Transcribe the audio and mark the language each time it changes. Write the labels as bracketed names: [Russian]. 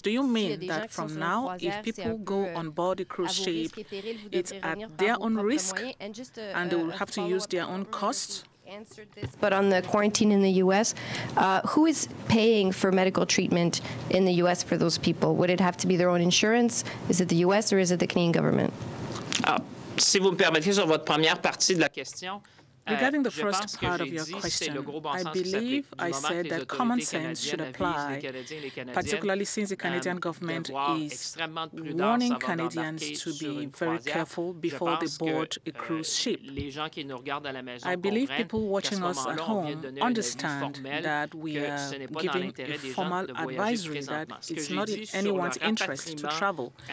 [English] Do you mean that from now, if people go on board a cruise ship, it's at their own risk and they will have to use their own costs? But on the quarantine in the U.S., who is paying for medical treatment in the U.S. for those people? Would it have to be their own insurance? Is it the U.S. or is it the Canadian government? [French] Si vous me permettez, sur votre première partie de la question... [English] Regarding the first part of your question, I believe I said that common sense should apply, particularly since the Canadian government is warning Canadians to be very careful before they board a cruise ship. I believe people watching us at home understand that we are giving a formal advisory that it's not in anyone's interest to travel.